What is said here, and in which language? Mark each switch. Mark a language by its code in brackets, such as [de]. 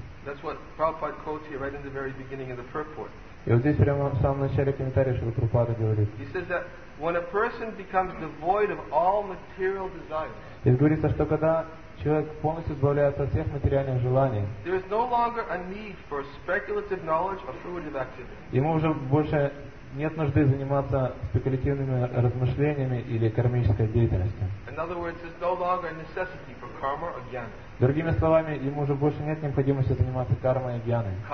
[en] That's what Prabhupada quotes here right in the very beginning of the purport. [ru] И вот здесь прямо в самом начале комментария Шрила Прабхупада говорит. [en] He says that when a person becomes devoid of all material desires. [ru] И говорится, что когда человек полностью избавляется от всех материальных желаний. [en] There is no longer a need for speculative knowledge or fruitive activity. [ru] Ему уже больше нет нужды заниматься спекулятивными размышлениями или кармической деятельностью. [en] In other words, there's no longer a necessity for karma or jnana. [ru] Другими словами, ему уже больше нет необходимости заниматься кармой и гьяной.